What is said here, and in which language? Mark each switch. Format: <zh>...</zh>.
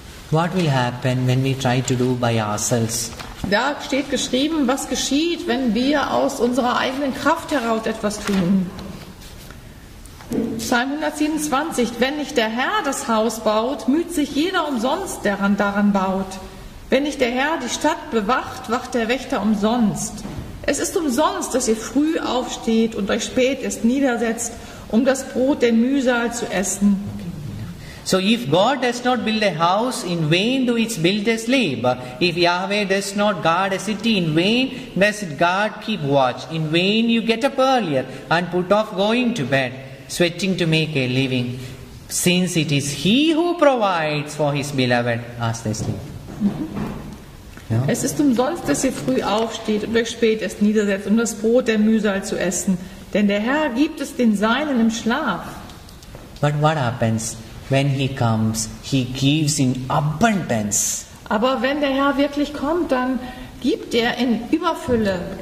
<en>What will happen when we try to do by ourselves?</en> <de>Da steht geschrieben, was geschieht, wenn wir aus unserer eigenen Kraft heraus etwas tun. Psalm 127, wenn nicht der Herr das Haus baut, müht sich jeder umsonst, der daran baut. Wenn nicht der Herr die Stadt bewacht, wacht der Wächter umsonst. Es ist umsonst, dass ihr früh aufsteht und euch spät erst niedersetzt, um das Brot der Mühsal zu essen.</de> <en>So if God does not build a house, in vain do its builders labor. If Yahweh does not guard a city, in vain does it guard keep watch. In vain you get up earlier and put off going to bed, sweating to make a living. Since it is he who provides for his beloved, as they sleep.</en> <de>Es ist umsonst, dass ihr früh aufsteht und euch spät erst niedersetzt, um das Brot der Mühsal zu essen. Denn der Herr gibt es den Seinen im Schlaf.</de> <en>But what happens? When he comes, he gives in abundance.</en> <de>Aber wenn der Herr wirklich kommt, dann gibt er in Überfülle.</de>